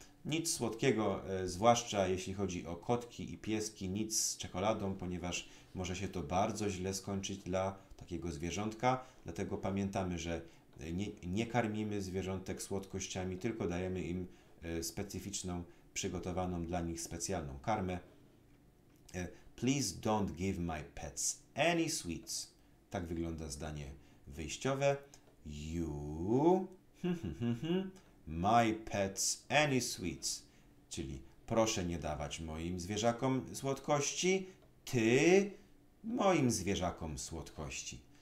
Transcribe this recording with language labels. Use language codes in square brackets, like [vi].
[pl] Nic słodkiego, zwłaszcza jeśli chodzi o kotki i pieski, nic z czekoladą, ponieważ może się to bardzo źle skończyć dla takiego zwierzątka. Dlatego pamiętamy, że nie karmimy zwierzątek słodkościami, tylko dajemy im specyficzną, przygotowaną dla nich specjalną karmę. [en] Please don't give my pets any sweets. [pl] Tak wygląda zdanie wyjściowe. [en] You... My pets any sweets. [pl] Czyli proszę nie dawać moim zwierzakom słodkości. Ty moim zwierzakom słodkości.